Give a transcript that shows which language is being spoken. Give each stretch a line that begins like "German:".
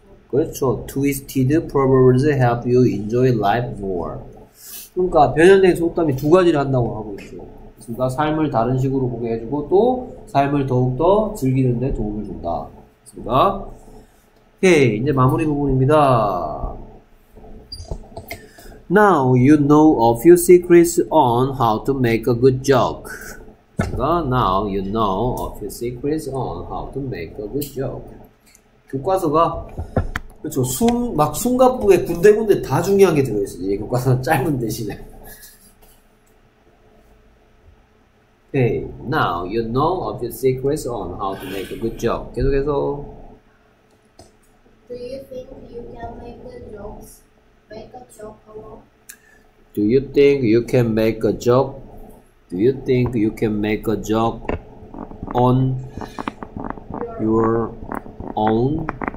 Korean: 그렇죠.
English: Twisted proverbs help you enjoy life more.
Korean: 그러니까 변형된 속담이 두 가지를 한다고 하고 있죠. 그러니까 삶을 다른 식으로 보게 해주고 또 삶을 더욱더 즐기는 데 도움을 준다. 그렇습니까? 오케이, 이제 마무리 부분입니다.
English: Now you know a few secrets on how to make a good joke.
Korean: 그러니까
English: now you know a few secrets on how to make a good joke.
Korean: 교과서가 그렇죠. 막 숨가쁘게 군데군데 다 중요한 게 들어있어요. 이 교과서는 짧은 대신에.
English: Okay, now you know of your secrets on how to make a good joke.
Korean: 계속해서.
English: Do you think you can make a joke? Make a joke alone? Do you think you can make a joke? Do you think you can make a joke on your own?